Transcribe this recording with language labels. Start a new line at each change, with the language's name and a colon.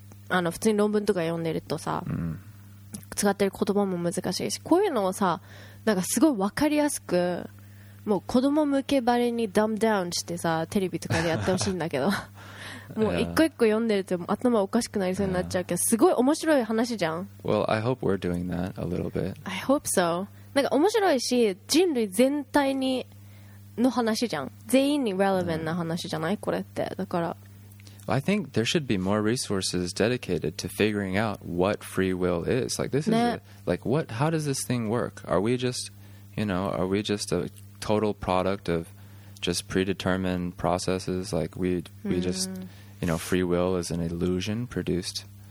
Japanese: あの、普通に論文とか読んでるとさ、使ってる言葉も難しいし、こういうのをさ、なんかすごい分かりやすく、もう子供向けバレにダムダウンしてさ、テレビとかでやってほしいんだけど。もう一個一個読んでると頭おかしくなりそうになっちゃうけど、すごい面白い話じゃん。
English: Well, I hope we're doing that a little bit. I hope so.
Japanese: なんか面白いし、人類全体にの話じゃん。全員に relevant な話じゃない、これって。だから
English: I think there should be more resources dedicated to figuring out what free will is. Like, this is like, what? How does this thing work? Are we just, you know, are we just a total product of just predetermined processes? Like, we just, you know, free will is an illusion produced.